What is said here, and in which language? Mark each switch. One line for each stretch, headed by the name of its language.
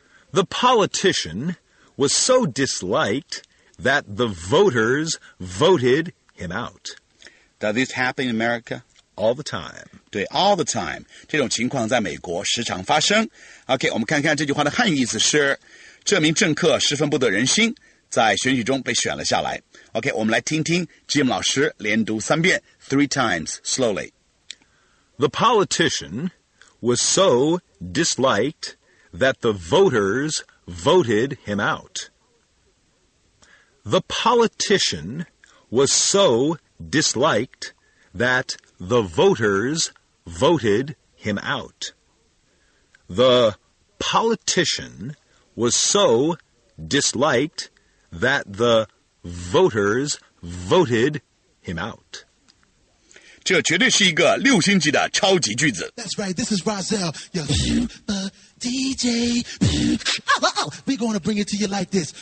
English: The politician was so disliked that the voters voted him out. Does this happen in America? All the time. 对 all the time.
Chinese: 这种情况在美国时常发生。OK, 我们看看这句话的汉译意思是这名政客十分不得人心在选举中被选了下来。 OK, 我们来听听 Jim 老师连读三遍
English: three times slowly. The politician was so disliked that the voters voted him out. The politician was so disliked that the voters voted him out. The politician was so disliked that the voters voted him out.
Chinese: 这绝对是一个六星级的超级句子。
English: That's right, this is Roselle, your super DJ. We're going to bring it to you like this.